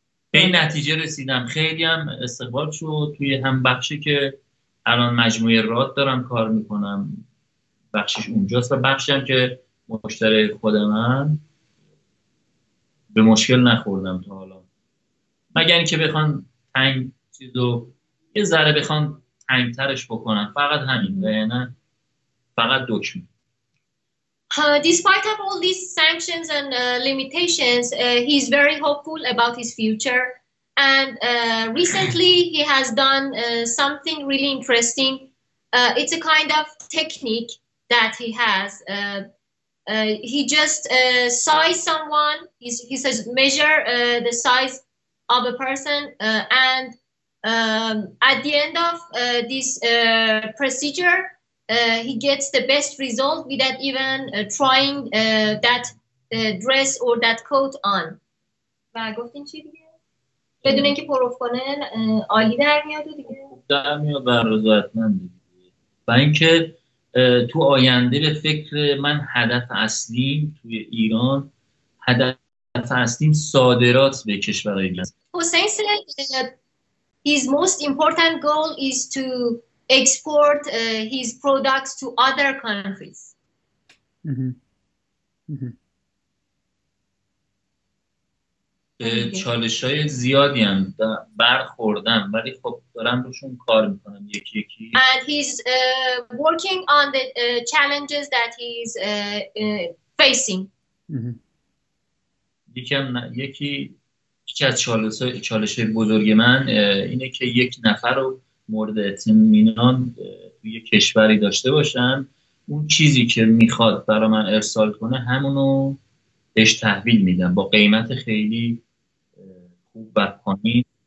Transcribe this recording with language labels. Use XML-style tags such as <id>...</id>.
<fa>به این نتیجه رسیدم، خیلی هم استقبال شد توی هم بخشی که الان مجموعه راد دارم کار میکنم، بخشش اونجاست و بخشی هم که مشتری خودم هم به مشکل نخوردم تا حالا، مگر اینکه بخوان تنگ چیزو یه ذره بخوان تنگترش بکنن، فقط همین، نه فقط دکمه.</fa> <en>Despite of all these sanctions and limitations, he's very hopeful about his future. And recently he has done something really interesting. It's a kind of technique that he has. He just size someone. He says measure the size of a person and at the end of this procedure, he gets the best result without even trying that dress or that coat on.</en> <fa>و گفتین چی دیگه؟ بدون اینکه پروف کنه عالی در میاد و دیگه؟ در میاد و رضایتمند دیگه. و اینکه تو آینده به فکر من هدف اصلیم توی ایران، هدف اصلیم صادرات به کشورهای دیگه.</fa> <en>Hossein سلیت، his most important goal is to export his products to other countries.</en> <fa>چالش‌های زیادی هم برخوردم ولی خب دارم روشون کار میکنم یکی یکی.</fa> <en>And he's working on the challenges that he's facing.</en> <fa>یکی از چالش بزرگ من اینه که یک نفر رو مورد اطمینان توی یک کشوری داشته باشم، اون چیزی که میخواد برای من ارسال کنه همونو بهش تحویل میدم با قیمت خیلی خوب و پایین.</fa>